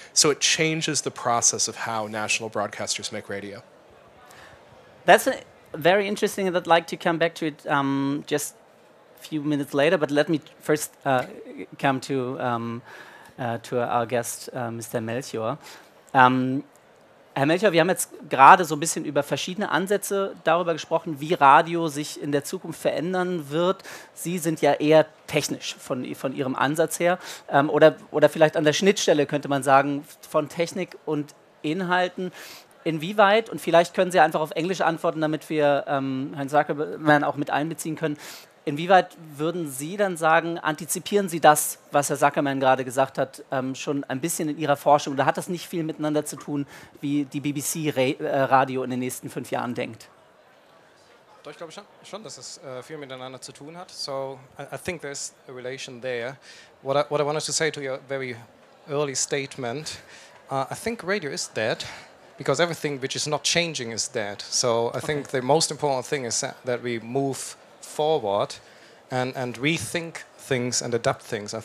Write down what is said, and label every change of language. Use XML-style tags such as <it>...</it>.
<en>So it changes the process of how national broadcasters make radio. That's very interesting, and I'd like to come back to it just a few minutes later, but let me first come to our guest, Mr. Melchior.</en> <de>Herr Melchior, wir haben jetzt gerade so ein bisschen über verschiedene Ansätze darüber gesprochen, wie Radio sich in der Zukunft verändern wird. Sie sind ja eher technisch von Ihrem Ansatz her. Oder vielleicht an der Schnittstelle, könnte man sagen, von Technik und Inhalten. Inwieweit, und vielleicht können Sie einfach auf Englisch antworten, damit wir Herrn Zuckerman auch mit einbeziehen können. Inwieweit würden Sie dann sagen, antizipieren Sie das, was Herr Zuckerman gerade gesagt hat, schon ein bisschen in Ihrer Forschung? Oder hat das nicht viel miteinander zu tun, wie die BBC Radio in den nächsten 5 Jahren denkt? Doch, ich glaube schon, dass es viel miteinander zu tun hat.</de> <en>So, I think there's a relation there. What I wanted to say to your very early statement, I think radio is dead. Because everything which is not changing is dead. So I think the most important thing is that we move forward and rethink things and adapt things.</en>